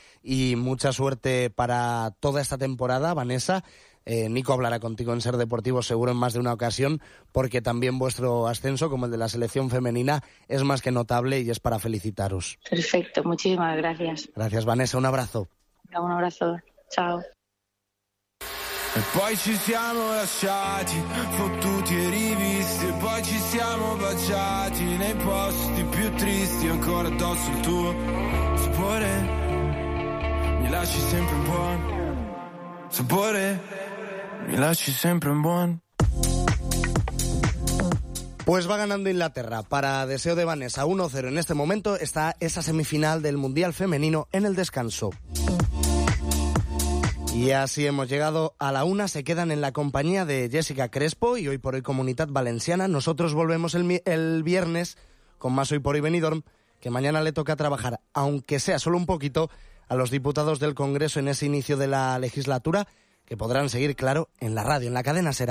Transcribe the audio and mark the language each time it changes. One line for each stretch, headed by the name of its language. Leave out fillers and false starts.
Spanish: Y mucha suerte para toda esta temporada, Vanessa. Nico hablará contigo en Ser Deportivo seguro en más de una ocasión, porque también vuestro ascenso, como el de la selección femenina, es más que notable y es para felicitaros. Perfecto, muchísimas gracias. Gracias, Vanessa. Un abrazo. Un abrazo. Chao.
Italian: E poi ci siamo lasciati, fottuti e rivisti, e poi ci siamo baciati nei posti più tristi, ancora addosso il tuo sapore, mi lasci sempre un buon sapore, mi lasci sempre un buon.
Spanish: Pues va ganando Inglaterra. Para deseo de Vanessa, 1-0 en este momento está esa semifinal del Mundial Femenino en el descanso. Y así hemos llegado a la una, se quedan en la compañía de Jessica Crespo y Hoy por Hoy Comunidad Valenciana. Nosotros volvemos el viernes con más Hoy por Hoy Benidorm, que mañana le toca trabajar, aunque sea solo un poquito, a los diputados del Congreso en ese inicio de la legislatura, que podrán seguir, claro, en la radio, en la cadena Ser.